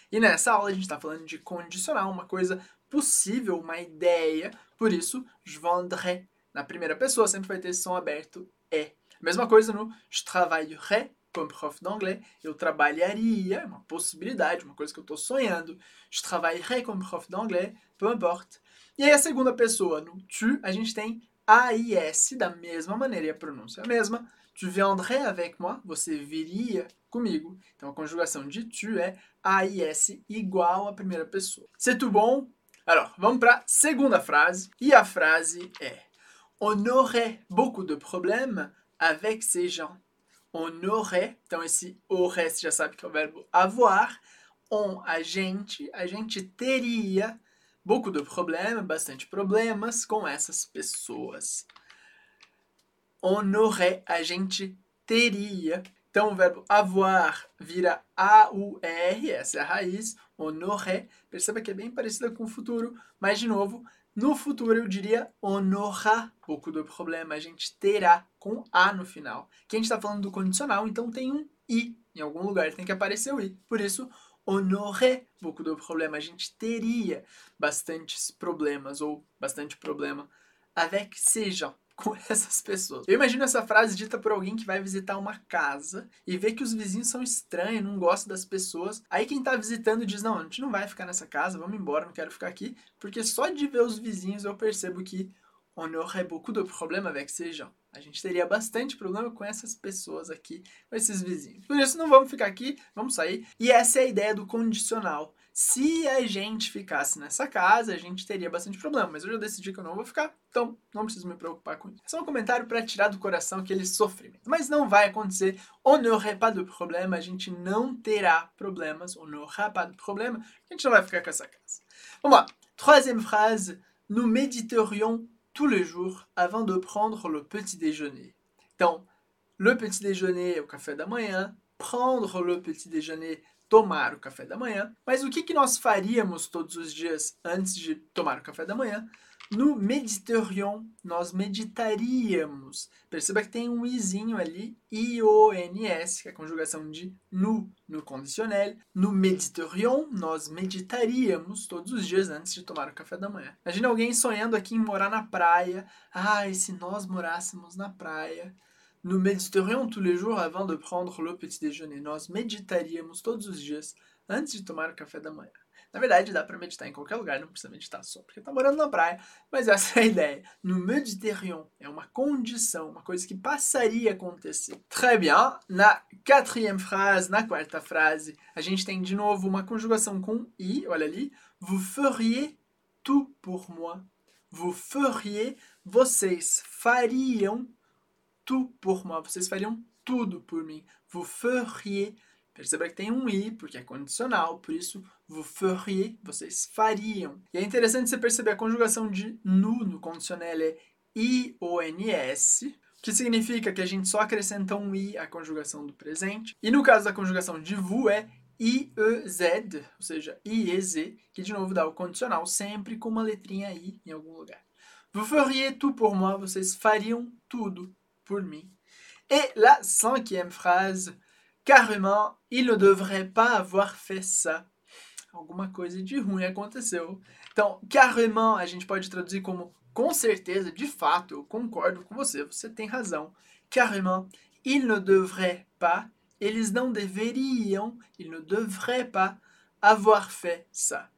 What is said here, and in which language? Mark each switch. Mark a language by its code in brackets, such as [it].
[pt] E nessa aula a gente está falando de condicional, uma coisa possível, uma ideia. Por isso, [fr] je vendrais. [pt] Na primeira pessoa sempre vai ter esse som aberto, é. Mesma coisa no [fr] je travaillerai comme prof d'anglais, [pt] eu trabalharia, uma possibilidade, uma coisa que eu estou sonhando. [fr] Je travaillerai comme prof d'anglais, peu importe. [pt] E aí a segunda pessoa, no tu, a gente tem a i s, da mesma maneira, e a pronúncia é a mesma. [fr] Tu viendrais avec moi, [pt] você viria comigo. Então a conjugação de tu é a i s igual à primeira pessoa. [fr] C'est tout bon? Alors, [pt] vamos para a segunda frase. E a frase é: [fr] on aurait beaucoup de problèmes avec ces gens. On aurait, [pt] então esse aurait, você já sabe que é o verbo avoir. On, a gente teria [fr] beaucoup de problèmes, [pt] bastante problemas com essas pessoas. [fr] On aurait, [pt] a gente teria. Então o verbo avoir vira A-U-R, essa é a raiz. [fr] On aurait, [pt] perceba que é bem parecida com o futuro, mas de novo, no futuro eu diria [fr] on aura beaucoup de problèmes, [pt] a gente terá com A no final. Aqui a gente está falando do condicional, então tem um I em algum lugar, tem que aparecer o I. Por isso, [fr] on aurait beaucoup de problèmes, [pt] a gente teria bastantes problemas ou bastante problema [fr] avec ces gens, [pt] com essas pessoas. Eu imagino essa frase dita por alguém que vai visitar uma casa e vê que os vizinhos são estranhos, não gostam das pessoas. Aí quem tá visitando diz, não, a gente não vai ficar nessa casa, vamos embora, não quero ficar aqui. Porque só de ver os vizinhos eu percebo que [fr] On aurait beaucoup de problèmes avec ces gens. [pt] A gente teria bastante problema com essas pessoas aqui, com esses vizinhos. Por isso, não vamos ficar aqui, vamos sair. E essa é a ideia do condicional. Se a gente ficasse nessa casa, a gente teria bastante problema. Mas eu já decidi que eu não vou ficar, então não preciso me preocupar com isso. É só um comentário para tirar do coração aquele sofrimento. Mas não vai acontecer. [fr] On n'aurait pas de problème, [pt] a gente não terá problemas. [fr] On n'aurait pas de problème, [pt] a gente não vai ficar com essa casa. Vamos lá. [fr] Troisième phrase. Nous méditerions tous les jours avant de prendre le petit déjeuner. [pt] Então, [fr] le petit déjeuner, [pt] o café da manhã. [fr] Prendre le petit déjeuner, [pt] tomar o café da manhã. Mas o que, que nós faríamos todos os dias antes de tomar o café da manhã? [fr] Nous méditerions, [pt] nós meditaríamos. Perceba que tem um izinho ali, I-O-N-S, que é a conjugação de nous, no condicional. [fr] Nous méditerions, [pt] nós meditaríamos todos os dias antes de tomar o café da manhã. Imagina alguém sonhando aqui em morar na praia. Ai, se nós morássemos na praia. [fr] Nous méditerions tous les jours avant de prendre le petit déjeuner. [pt] Nós meditaríamos todos os dias antes de tomar o café da manhã. Na verdade, dá para meditar em qualquer lugar, não precisa meditar só porque tá morando na praia. Mas essa é a ideia. [fr] Nous méditerions [pt] é uma condição, uma coisa que passaria a acontecer. [fr] Très bien. [pt] Na [fr] quatrième phrase, [pt] na quarta frase, a gente tem de novo uma conjugação com I, olha ali. [fr] Vous feriez tout pour moi. Vous feriez, [pt] vocês fariam [fr] tout pour moi. [pt] Vocês fariam tudo por mim. [fr] Vous feriez. [pt] Perceba que tem um I, porque é condicional, por isso, [fr] vous feriez, [pt] vocês fariam. E é interessante você perceber a conjugação de nous no condicional é I-O-N-S, que significa que a gente só acrescenta um I à conjugação do presente. E no caso da conjugação de vous é I-E-Z, ou seja, I-E-Z, que de novo dá o condicional sempre com uma letrinha I em algum lugar. [fr] Vous feriez tout pour moi, [pt] vocês fariam tudo por mim. [fr] E la cinquième phrase... Carrément, il ne devrait pas avoir fait ça. [pt] Alguma coisa de ruim aconteceu. Então, carrément, a gente pode traduzir como com certeza, de fato, eu concordo com você, você tem razão. [fr] Carrément, il ne devrait pas, [pt] eles não deveriam, [fr] il ne devrait pas avoir fait ça.